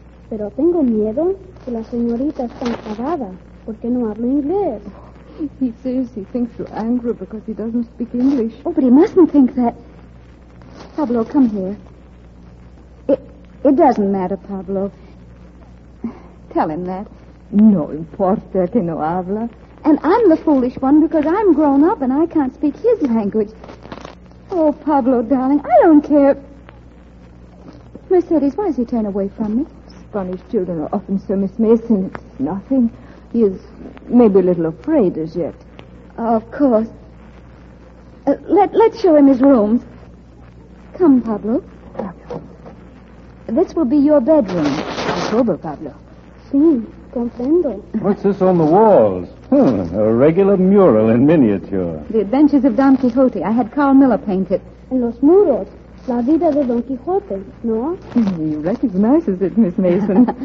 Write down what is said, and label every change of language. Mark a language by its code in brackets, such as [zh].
[es] Pero tengo miedo que la señorita está enfadada porque no hablo inglés. [en] He says he thinks you're angry because he doesn't speak English. Oh, but he mustn't think that. Pablo, come here. It doesn't matter, Pablo. Tell him that. [es] No importa que no habla. [en] And I'm the foolish one because I'm grown up and I can't speak his language. Oh, Pablo, darling, I don't care... Mercedes, why is he turned away from me? Spanish children are often so, Miss Mason. It's nothing. He is maybe a little afraid as yet. Oh, of course. Let's show him his rooms. Come, Pablo. Pablo. This will be your bedroom. Sober, Pablo. [es] Sí, comprendo. [en] What's this on the walls? A regular mural in miniature. The Adventures of Don Quixote. I had Carl Miller paint it. [es] En los muros. La vida de Don Quixote, ¿no? [en] He recognizes it, Miss Mason.